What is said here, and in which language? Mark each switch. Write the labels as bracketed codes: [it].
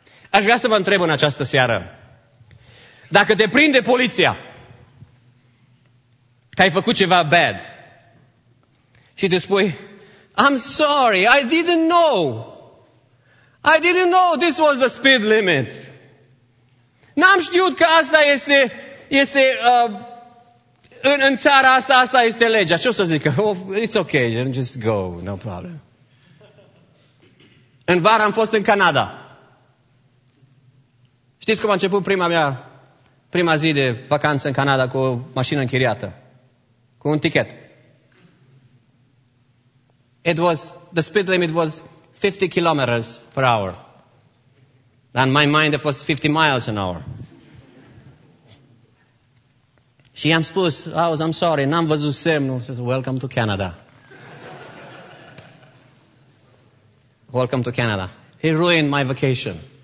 [ro] Aș vrea să vă întreb în această seară: dacă te prinde poliția că ai făcut ceva bad și te spui, I'm sorry, I didn't know this was the speed limit. N-am știut că asta este în țara asta, asta este legea. Ce o să zică? [en] Oh, it's okay, just go, no problem. [ro] În vară am fost în Canada. Știți cum a început prima zi de vacanță în Canada cu o mașină închiriată? Cu un ticket. [en] The speed limit was 50 kilometers per hour. In my mind, it was 50 miles an hour. Și i-am spus, [ro] I'm sorry, n-am văzut semnul. [en] Says, welcome to Canada. Welcome to Canada. He ruined my vacation.